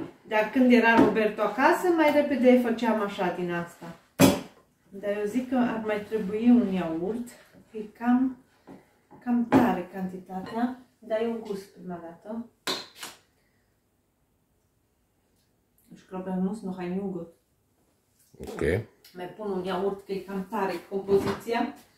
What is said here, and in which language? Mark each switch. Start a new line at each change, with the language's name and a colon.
Romanian: Dar când era Roberto acasă, mai repede făceam așa din asta. Dar eu zic că ar mai trebui un iaurt, e cam tare cantitatea, dar e un gust prima dată.
German: Ich glaube, er muss noch ein Joghurt. Ok.
Romanian: Mai pun un iaurt, că e cam tare compoziția.